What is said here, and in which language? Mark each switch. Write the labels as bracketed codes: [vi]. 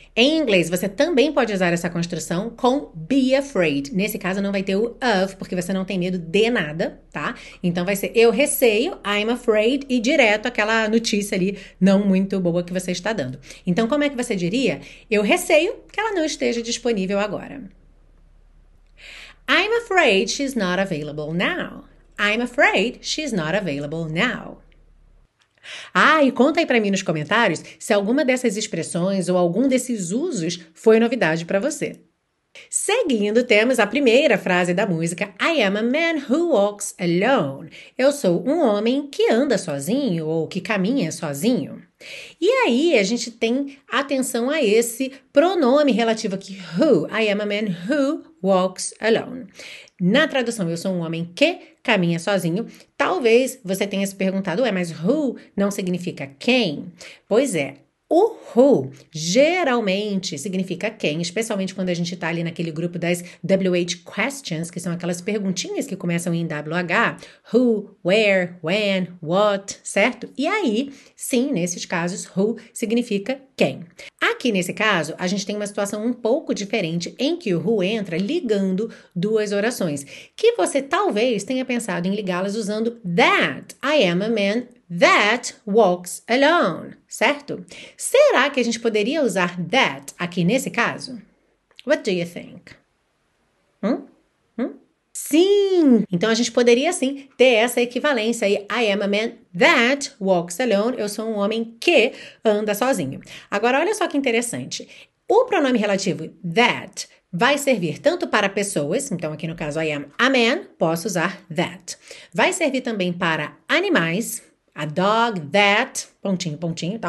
[pt] Em inglês, você também pode usar essa construção com be afraid. Nesse caso, não vai ter o of, porque você não tem medo de nada, tá? Então vai ser eu receio, I'm afraid. E direto aquela notícia ali não muito boa que você está dando. Então, como é que você diria? Eu receio que ela não esteja disponível agora. [en] I'm afraid she's not available now. I'm afraid she's not available now. [pt] Ah, e conta aí para mim nos comentários se alguma dessas expressões ou algum desses usos foi novidade para você. Seguindo, temos a primeira frase da música: [en] I am a man who walks alone. [pt] Eu sou um homem que anda sozinho ou que caminha sozinho. E aí a gente tem atenção a esse pronome relativo aqui: who. [en] I am a man who walks alone. [pt] Na tradução, eu sou um homem que caminha sozinho. Talvez você tenha se perguntado: ué, mas who não significa quem? Pois é. O who geralmente significa quem, especialmente quando a gente está ali naquele grupo das WH questions, que são aquelas perguntinhas que começam em WH, who, where, when, what, certo? E aí, sim, nesses casos, who significa quem. Aqui nesse caso, a gente tem uma situação um pouco diferente em que o who entra ligando duas orações, que você talvez tenha pensado em ligá-las usando that, [en] I am a man that walks alone, [pt] certo? Será que a gente poderia usar that aqui nesse caso? [en] What do you think? [pt] Sim! Então a gente poderia sim ter essa equivalência aí. [en] I am a man that walks alone. [pt] Eu sou um homem que anda sozinho. Agora, olha só que interessante. O pronome relativo that vai servir tanto para pessoas, então aqui no caso I am a man, posso usar that. Vai servir também para animais. A dog that, pontinho, pontinho, tá?